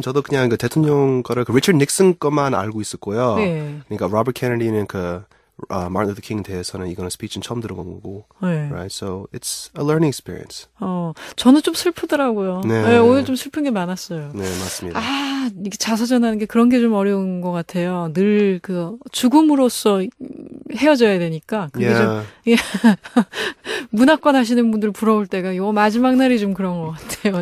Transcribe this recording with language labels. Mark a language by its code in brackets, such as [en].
[ko] 저도 그냥 그 대통령 거를 그 리처드 닉슨 것만 알고 있었고요. 네. 그러니까 로버트 케네디는 그 마틴 루터 킹 대해서는 이거는 스피치는 처음 들어본 거고. 네. [en] Right? So it's a learning experience. [ko] 저는 좀 슬프더라고요. 네. 네, 오늘 좀 슬픈 게 많았어요. 네, 맞습니다. 아, 이게 자서전하는 게 그런 게 좀 어려운 것 같아요. 늘 그 죽음으로써 헤어져야 되니까 그게 좀 문학관 하시는 분들 부러울 때가 요 마지막 날이 좀 그런 것 같아요.